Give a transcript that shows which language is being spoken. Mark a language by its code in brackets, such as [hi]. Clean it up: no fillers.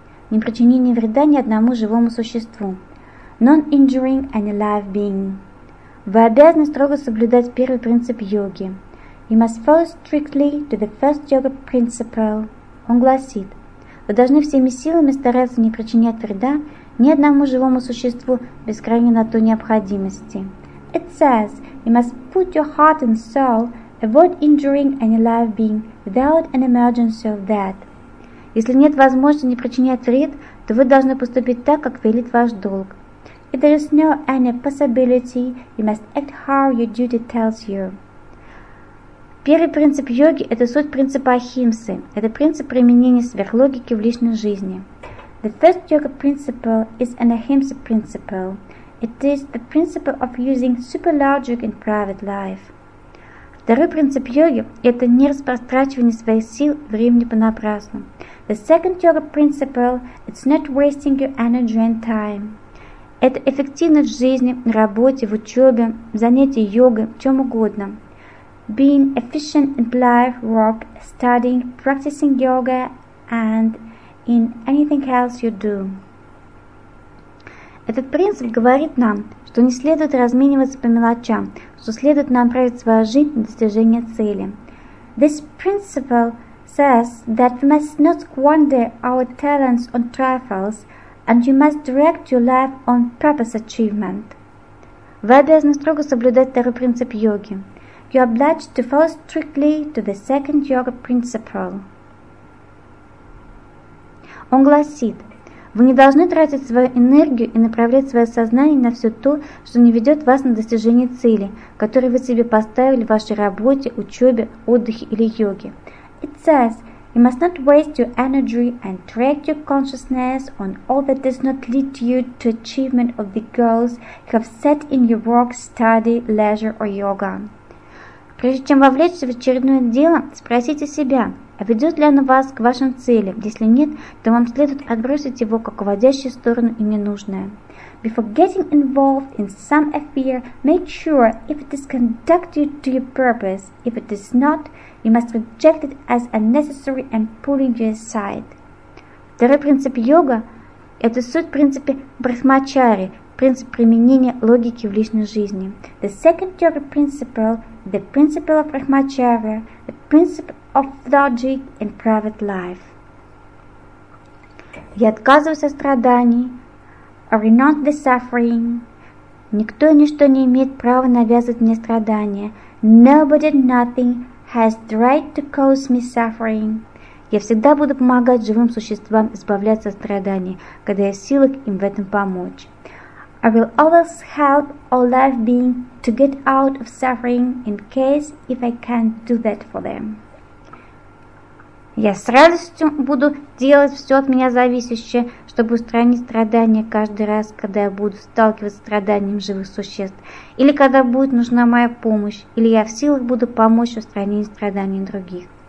[ru] Непричинение вреда ни одному живому существу. [en] Non-injuring any live being. [ru] Вы обязаны строго соблюдать первый принцип йоги. [en] You must follow strictly to the first yoga principle. [ru] Он гласит. Вы должны всеми силами стараться не причинять вреда ни одному живому существу без крайней на то необходимости. [en] It says, you must put your heart and soul, avoid injuring any live being without an emergency of that. [ru] Если нет возможности не причинять вред, то вы должны поступить так, как велит ваш долг. [en] If there is no any possibility, you must act how your duty tells you. [ru] Первый принцип йоги – это суть принципа ахимсы. Это принцип применения сверхлогики в личной жизни. [en] The first yoga principle is an ahimsa principle. It is the principle of using super logic in private life. [ru] Второй принцип йоги – это не распространение своих сил времени понапрасну. [en] The second yoga principle – it's not wasting your energy and time. [ru] Это эффективность в жизни, на работе, в учебе, в занятии йогой, в чем угодно. [en] Being efficient in life, work, studying, practicing yoga and in anything else you do. [ru] Этот принцип говорит нам, что не следует размениваться по мелочам, что следует направить свою жизнь на достижение цели. [en] This principle says that we must not squander our talents on trifles and you must direct your life on purpose achievement. [ru] Вы обязаны строго соблюдать второй принцип йоги. [en] You are obliged to follow strictly to the second yoga principle. [ru] Он гласит, вы не должны тратить свою энергию и направлять свое сознание на все то, что не ведет вас на достижение цели, которую вы себе поставили в вашей работе, учебе, отдыхе или йоге. [en] It says, you must not waste your energy and direct your consciousness on all that does not lead you to achievement of the goals you have set in your work, study, leisure or yoga. [ru] Прежде чем вовлечься в очередное дело, спросите себя, а ведет ли оно вас к вашим целям? Если нет, то вам следует отбросить его как уводящую сторону и ненужное. [en] Before getting involved in some affair, make sure if it is conducted to your purpose. If it is not, you must reject it as unnecessary and pulling you aside. [ru] Второй принцип йога – это суть принципа брахмачари, принцип применения логики в личной жизни. [en] The second yoga principle – the principle of brahmacharya, the principle of logic in private life. [ru] Я отказываюсь от страданий. [en] I renounce the suffering. [ru] Никто и ничто не имеет права навязывать мне страдания. [en] Nobody and nothing has the right to cause me suffering. [ru] Я всегда буду помогать живым существам избавляться от страданий, когда я в силах им в этом помочь. [en] I will always help all life beings to get out of suffering in case if I can't do that for them. [ru] Я с радостью буду делать все от меня зависящее, чтобы устранить страдания каждый раз, когда я буду сталкиваться с страданием живых существ, или когда будет нужна моя помощь, или я в силах буду помочь устранить страдания других.